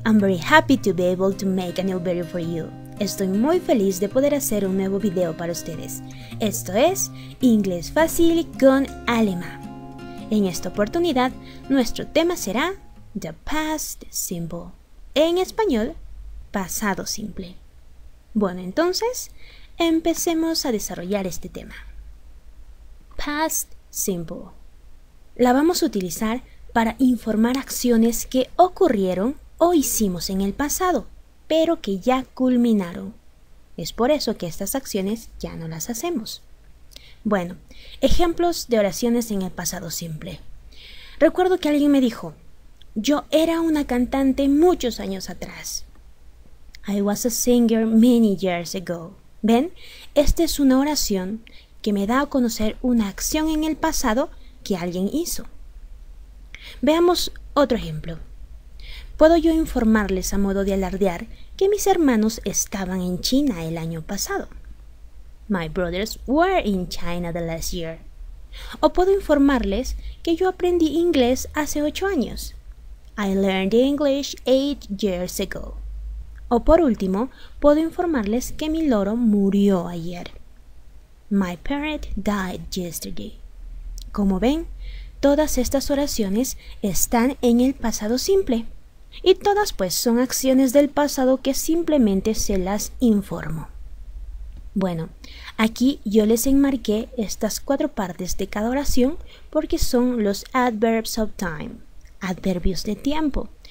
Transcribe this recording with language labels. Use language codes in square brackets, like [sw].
[en] I'm very happy to be able to make a new video for you. [es] Estoy muy feliz de poder hacer un nuevo video para ustedes. Esto es Inglés Fácil con Alema. En esta oportunidad, nuestro tema será [en] The Past Simple. [es] En español, pasado simple. Bueno, entonces, empecemos a desarrollar este tema. Past Simple. La vamos a utilizar para informar acciones que ocurrieron o hicimos en el pasado, pero que ya culminaron. Es por eso que estas acciones ya no las hacemos. Bueno, ejemplos de oraciones en el pasado simple. Recuerdo que alguien me dijo, yo era una cantante muchos años atrás. [en] I was a singer many years ago. [es] ¿Ven? Esta es una oración que me da a conocer una acción en el pasado que alguien hizo. Veamos otro ejemplo. Puedo yo informarles a modo de alardear que mis hermanos estaban en China el año pasado. [en] My brothers were in China the last year. [es] O puedo informarles que yo aprendí inglés hace 8 años. [en] I learned English 8 years ago. [es] O por último, puedo informarles que mi loro murió ayer. [en] My parrot died yesterday. [es] Como ven, todas estas oraciones están en el pasado simple. Y todas pues son acciones del pasado que simplemente se las informo. Bueno, aquí yo les enmarqué estas 4 partes de cada oración porque son los [en] adverbs of time, [es] adverbios de tiempo.